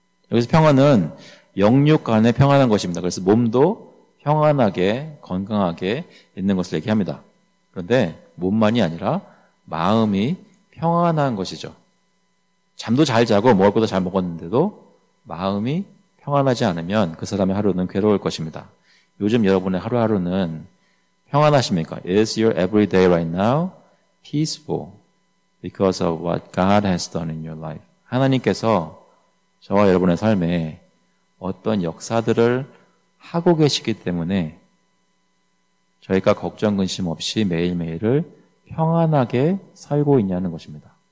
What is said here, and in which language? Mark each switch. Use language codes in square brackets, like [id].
[ko] 여기서 평안은 영육 간에 평안한 것입니다. 그래서 몸도 평안하게 건강하게 있는 것을 얘기합니다. 그런데 몸만이 아니라 마음이 평안한 것이죠. 잠도 잘 자고 먹을 것도 잘 먹었는데도 마음이 평안하지 않으면 그 사람의 하루는 괴로울 것입니다. 요즘 여러분의 하루하루는 평안하십니까? [en] Is your everyday right now peaceful because of what God has done in your life? [ko] 하나님께서 저와 여러분의 삶에 어떤 역사들을 하고 계시기 때문에 저희가 걱정, 근심 없이 매일매일을 평안하게 살고 있냐는 것입니다.